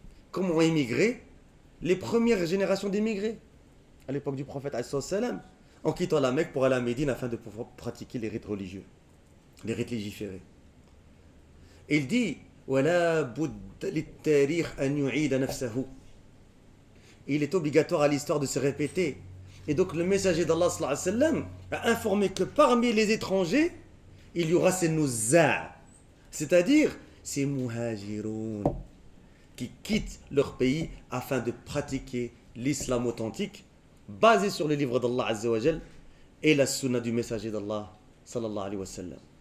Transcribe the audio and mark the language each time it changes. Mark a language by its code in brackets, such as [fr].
[fr] Comme ont immigré les premières générations d'immigrés, à l'époque du prophète sallallahu alayhi wa sallam, en quittant la Mecque pour aller à Médine afin de pouvoir pratiquer les rites religieux, les rites légiférés. Il dit, [ar] وَلَا بُدَّ لِلْتَارِيخ أَنْ يُعِيدَ نَفْسَهُ. [fr] Il est obligatoire à l'histoire de se répéter. Et donc le messager d'Allah sallallahu alayhi wa sallam a informé que parmi les étrangers, il y aura ces nuzza', c'est-à-dire ces muhajiroun, qui quittent leur pays afin de pratiquer l'islam authentique basé sur les livres d'Allah Azza wa Jal et la sunna du messager d'Allah sallallahu alayhi wa sallam.